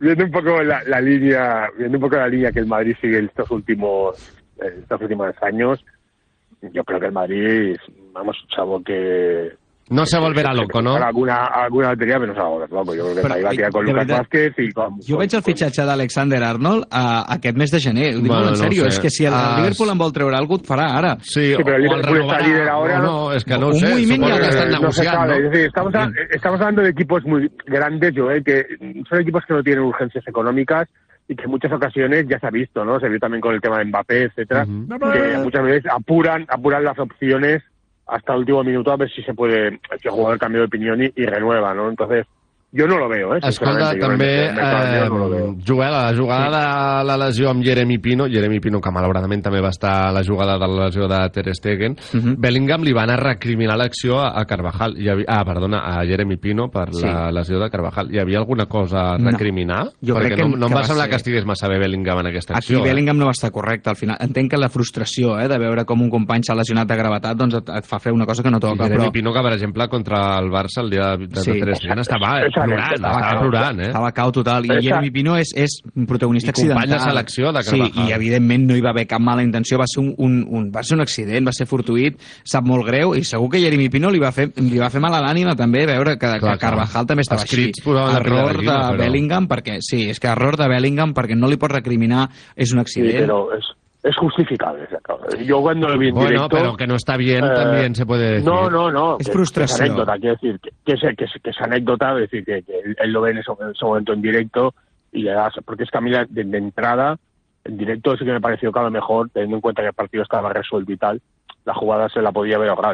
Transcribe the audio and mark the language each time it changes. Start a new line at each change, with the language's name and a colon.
Spanish: Viendo un poco la línea que el Madrid sigue estos últimos años, yo creo que el Madrid, vamos, chavo, que... No se volverá loco, ¿no? Alguna batería, pero no se va a volver loco. Yo creo que ahí va a quedar con Lucas Vázquez y con...
Catalan: Yo veig el fitxatge d'Alexander Arnold a aquest mes de gener. Ho dic molt en sèrio. És que si el Liverpool en vol treure algú, et farà ara. Sí, però el Liverpool està líder
Spanish: ahora.
Catalan: No, és que no ho sé. Un moviment ja l'estan negociant, ¿no?
Spanish: Estamos hablando de equipos muy grandes, Joel, que son equipos que no tienen urgencias económicas y que en muchas ocasiones ya se ha visto, ¿no? Se vio también con el tema de Mbappé, etcétera, que muchas veces apuran las opciones hasta el último minuto a ver si se puede, si el jugador cambia de opinión y renueva, ¿no? Entonces, jo no lo veo, eh?
Catalan: Escolta, també, Joel, la jugada de la lesió amb Jeremy Pino, que malauradament també va estar la jugada de la lesió de Ter Stegen, Bellingham li van a recriminar l'acció a Carvajal, a Jeremy Pino per la lesió de Carvajal. Hi havia alguna cosa a recriminar? Jo crec que no em va semblar que estigués massa bé Bellingham en aquesta acció. Aquí Bellingham no va estar correcte, al final. Entenc que la frustració, de veure com un company s'ha lesionat de gravetat, doncs et fa fer una cosa que no toca, però... Jeremy Pino, que per exemple, contra el Barça el dia de Ter Stegen, estava... Estava cau total. I Jeremy Pino és un protagonista accidental. I company de selecció de Carvajal. Sí, i evidentment no hi va haver cap mala intenció. Va ser un accident, va ser fortuït, sap molt greu, i segur que Jeremy Pino li va fer mal a l'ànima també veure que Carvajal també estava així. Error de Bellingham, perquè... Sí, és que error de Bellingham, perquè no li pot recriminar, és un accident.
Spanish: Es justificable esa cosa. Yo cuando lo vi en directo... Bueno, pero que no está bien también se puede decir. No. Es frustración. Es anécdota, quiero decir, que es anécdota, es decir, que él lo ve en ese momento en directo y le das... Porque es que a mí de entrada, en directo sí que me pareció que a lo mejor, teniendo en cuenta que el partido estaba resuelto y tal, la jugada se la podía haber logrado.